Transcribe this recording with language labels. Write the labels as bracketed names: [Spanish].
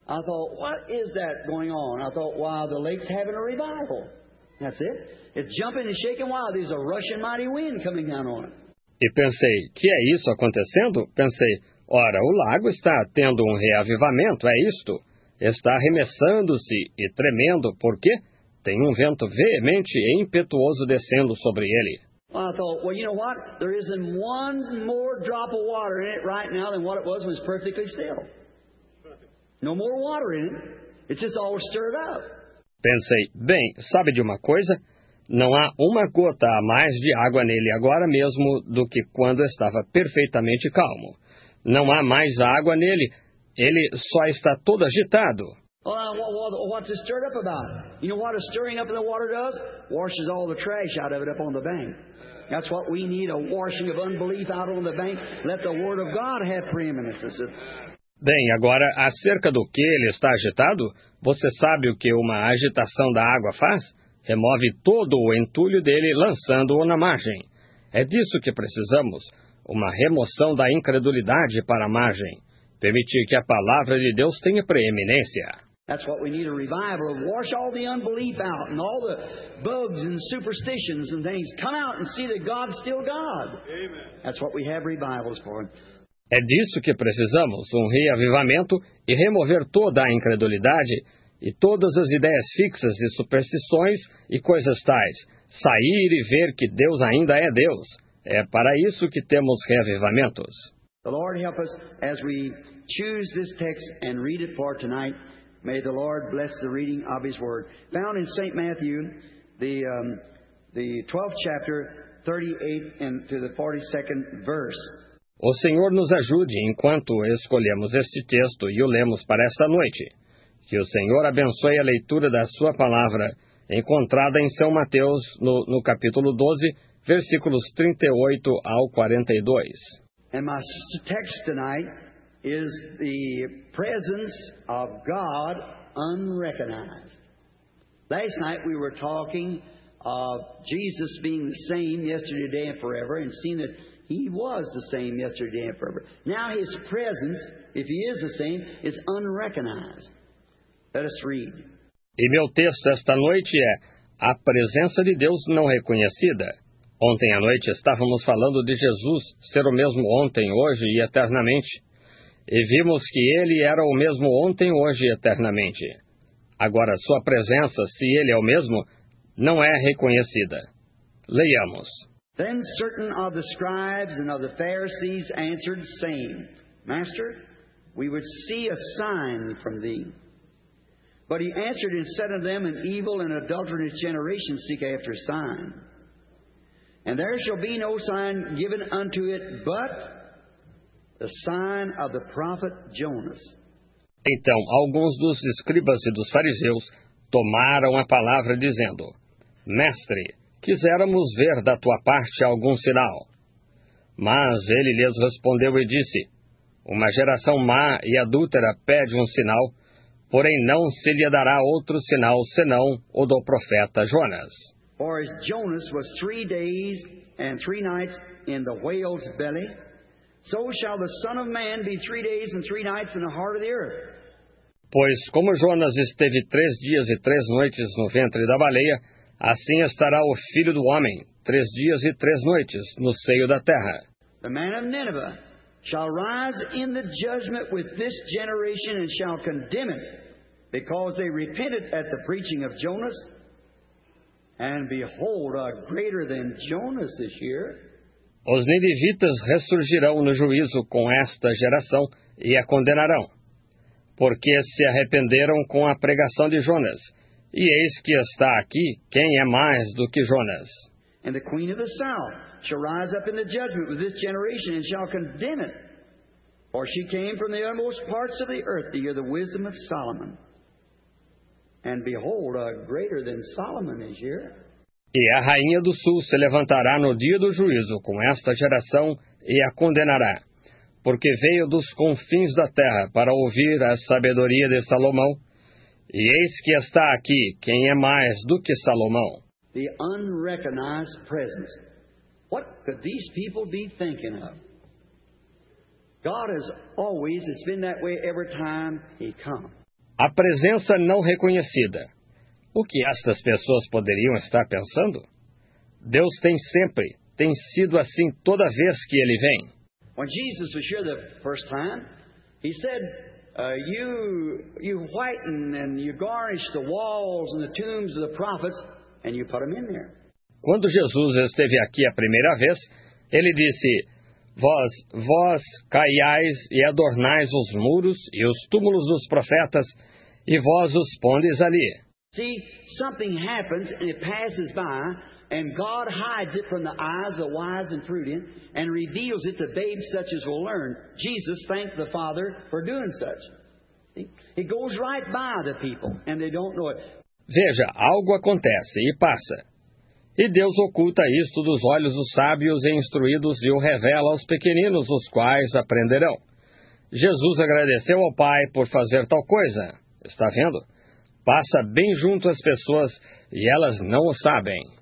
[English] I thought, what is that going on? I thought, wow, the lake's having a revival. That's it. It's jumping and shaking wild. There's a rushing mighty wind coming down on it. [Portuguese] E pensei, que é isso acontecendo? Pensei, ora, o lago está tendo um reavivamento, é isto? está arremessando-se e tremendo, porque tem um vento veemente e impetuoso descendo sobre ele. [English] Well, I thought, well, you know what? There isn't one more drop of water in it right now than what it was when it was perfectly still. No more water in it. It's just all stirred up. [Portuguese] Pensei, bem, sabe de uma coisa? Não há uma gota a mais de água nele agora mesmo do que quando estava perfeitamente calmo. Não há mais água nele. Ele só está todo agitado. [English] What's it stirred up about? You know what a stirring up in the water does? Washes all the trash out of it up on the bank. That's what we need, a washing of unbelief out on the bank. Let the word of God have preeminence. [Portuguese] Bem, agora, acerca do que ele está agitado, você sabe o que uma agitação da água faz? Remove todo o entulho dele, lançando-o na margem. É disso que precisamos, uma remoção da incredulidade para a margem. Permitir que a palavra de Deus tenha preeminência. [English] That's what we need, a revival of wash all the unbelief out and all the bugs and superstitions and things. Come out and see that God's still God. Amen. That's what we have revivals for. [Portuguese] É disso que precisamos, um reavivamento e remover toda a incredulidade e todas as ideias fixas e superstições e coisas tais. Sair e ver que Deus ainda é Deus. É para isso que temos reavivamentos. [English] The Lord help us as we choose this text and read it for tonight. May the Lord bless the reading of His Word. Found in St. Matthew, the 12th chapter, 38th and to the 42nd verse. [Portuguese] O Senhor nos ajude enquanto escolhemos este texto e o lemos para esta noite. Que o Senhor abençoe a leitura da Sua Palavra, encontrada em São Mateus, no capítulo 12, versículos 38 ao 42. [English] And my text tonight is the presence of God unrecognized. Last night we were talking of Jesus being the same yesterday, today, and forever, and seeing that He was the same yesterday, today, and forever. Now His presence, if He is the same, is unrecognized. Let us read. [Portuguese] E meu texto esta noite é A Presença de Deus Não Reconhecida. Ontem à noite estávamos falando de Jesus ser o mesmo ontem, hoje e eternamente. E vimos que Ele era o mesmo ontem, hoje e eternamente. Agora, Sua presença, se Ele é o mesmo, não é reconhecida. Leiamos. [English] Then certain of the scribes and of the Pharisees answered, saying, Master, we would see a sign from thee. But he answered and said unto them, An evil and adulterous generation seek after a sign. And there shall be no sign given unto it, but the sign of the prophet Jonas. [Portuguese] Então, alguns dos escribas e dos fariseus tomaram a palavra, dizendo, Mestre, quiséramos ver da tua parte algum sinal. Mas ele lhes respondeu e disse, Uma geração má e adúltera pede um sinal, porém não se lhe dará outro sinal senão o do profeta Jonas. [English] For Jonas was 3 days and 3 nights in the whale's belly, so shall the Son of Man be 3 days and 3 nights in the heart of the earth. [Portuguese] Pois como Jonas esteve 3 dias e 3 noites no ventre da baleia, assim estará o Filho do Homem 3 dias e 3 noites no seio da terra. [English] The man of Nineveh shall rise in the judgment with this generation and shall condemn it, because they repented at the preaching of Jonas. And behold, a greater than Jonas is here. [Portuguese] Os ninivitas ressurgirão no juízo com esta geração e a condenarão, porque se arrependeram com a pregação de Jonas. E eis que está aqui quem é mais do que Jonas. [English] And the queen of the south shall rise up in the judgment with this generation and shall condemn it. For she came from the uttermost parts of the earth to hear the wisdom of Solomon. And behold, a greater than Solomon is here. [Portuguese] E a rainha do sul se levantará no dia do juízo com esta geração e a condenará, porque veio dos confins da terra para ouvir a sabedoria de Salomão. E eis que está aqui quem é mais do que Salomão. [English] The unrecognized presence. What could these people be thinking of? God has always, it's been that way every time He comes. [Portuguese] A presença não reconhecida. O que estas pessoas poderiam estar pensando? Deus tem sempre, tem sido assim toda vez que Ele vem. [English] When Jesus was here the first time, He said, you whiten and you garnish the walls and the tombs of the prophets, and you put them in there. [Portuguese] Quando Jesus esteve aqui a primeira vez, ele disse: Vós caiais e adornais os muros e os túmulos dos profetas, e vós os pondes ali. [English] See, something happens and it passes by, and God hides it from the eyes of wise and prudent, and reveals it to babes such as will learn. Jesus thanked the Father for doing such. It goes right by the people, and they don't know it. [Portuguese] Veja, algo acontece e passa. E Deus oculta isto dos olhos dos sábios e instruídos e o revela aos pequeninos, os quais aprenderão. Jesus agradeceu ao Pai por fazer tal coisa. Está vendo? Passa bem junto às pessoas e elas não o sabem.